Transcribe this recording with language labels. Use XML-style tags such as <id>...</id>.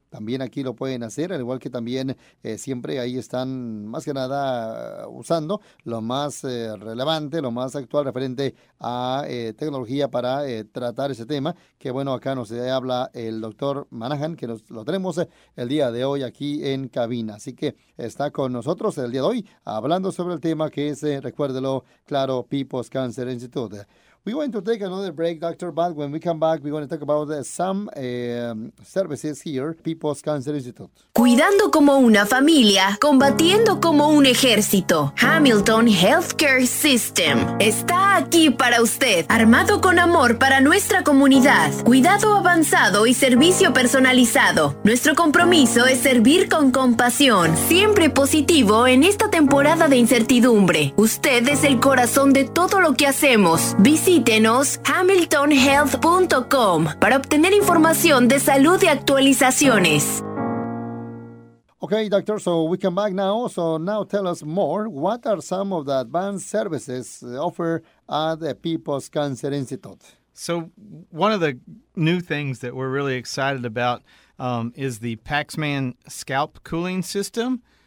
<es>También aquí lo pueden hacer, al igual que también siempre ahí están más que nada usando lo más relevante, lo más actual referente a tecnología para tratar ese tema, que bueno, acá nos habla el doctor Manahan, que nos lo tenemos el día de hoy aquí en cabina, así que está con nosotros el día de hoy hablando sobre el tema que es, recuérdelo claro, PIPOS Cancer Institute.</es> <en>We want to take another break, Dr. Bad. When we come back, we're going to talk about some services here, PIPOS Cancer Institute.</en> <es>Cuidando como una familia, combatiendo como un ejército. Hamilton Healthcare System está aquí para usted, armado con amor para nuestra comunidad. Cuidado avanzado y servicio personalizado. Nuestro compromiso es servir con compasión, siempre positivo en esta temporada de incertidumbre. Usted es el corazón de todo lo que hacemos. Visítenos hamiltonhealth.com para obtener información de salud y actualizaciones.</es> <en>Okay, doctor, so we come back now. So now tell us more. What are some of the advanced services offered at the PIPOS Cancer Institute? So one of the new things that we're really excited about is the Paxman scalp cooling system.</en>